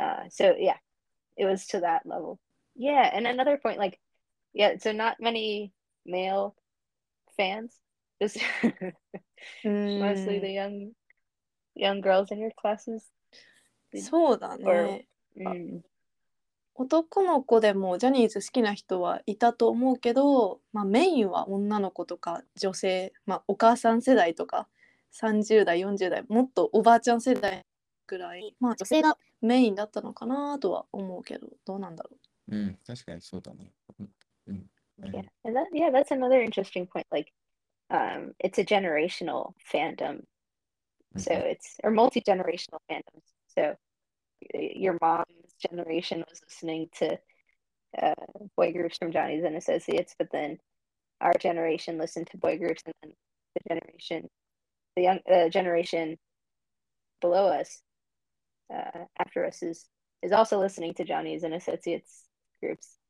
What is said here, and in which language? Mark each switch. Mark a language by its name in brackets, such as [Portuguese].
[English] So yeah, it was to that level. Yeah, and another point, like, yeah, so not many male fans, just mostly the young girls in your classes. [Japanese] そうだね。男の子でもジャニーズ好きな人はいたと思うけど、まあ、メインは女の子とか女性、まあ、お母さん世代とか30代40代もっとおばあちゃん世代ぐらい、まあ、女性がメインだったのかなとは思うけど、どうなんだろう。うん、確かにそうだね。 [English] Yeah, and that, yeah, that's another interesting point. Like, it's a generational fandom. So it's, or multi-generational fandoms. So your mom's generation was listening to boy groups from Johnny's and Associates, but then our generation listened to boy groups, and then the generation below us, after us, is also listening to Johnny's and Associates groups.